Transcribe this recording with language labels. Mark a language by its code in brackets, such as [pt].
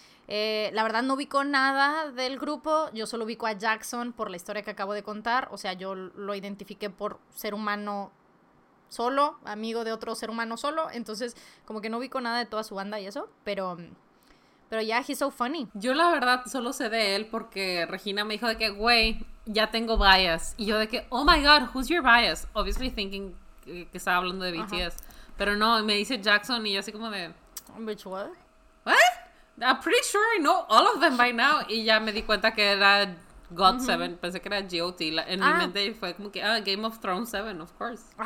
[es] La verdad no ubico nada del grupo, yo solo ubico a Jackson por la historia que acabo de contar, o sea, yo lo identifiqué por ser humano solo, amigo de otro ser humano solo, entonces como que no ubico nada de toda su banda y eso, pero ya, [en] yeah, he's so funny. [es] Yo la verdad solo sé de él porque Regina me dijo de que, güey, ya tengo bias, y yo de que, [en] oh my god, who's your bias? Obviously thinking [es] que estaba hablando de BTS, pero no, me dice Jackson y yo así como de... [en] Bitch, what? What? I'm pretty sure I know all of them by now. [es] Y ya me di cuenta que era GOT7. Mm-hmm. Pensé que era GOT. En mi mente fue como que, Game of Thrones 7, of course.